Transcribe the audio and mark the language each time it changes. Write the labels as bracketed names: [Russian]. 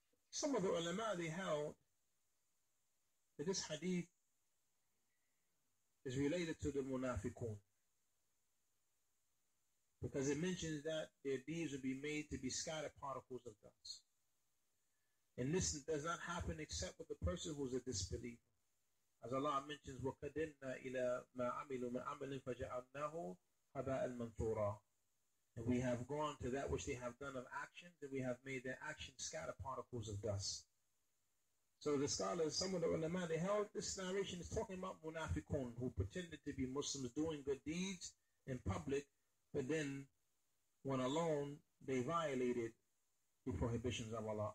[English] Some of the ulama, they held that this hadith is related to the munafiqun. Because it mentions that their deeds would be made to be scattered particles of dust. And this does not happen except with the person who is a disbeliever. As Allah mentions, [Arabic] وَقَدِنَّا إِلَى مَا عَمِلُوا مَا عَمِلٍ فَجَعَلْنَاهُ هَبَاءً مَنْثُورًا. [English] And we have gone to that which they have done of actions, and we have made their actions scatter particles of dust. So the scholars, some of the ulama, they held this narration is talking about munafiqun, who pretended to be Muslims doing good deeds in public, but then when alone, they violated the prohibitions of Allah.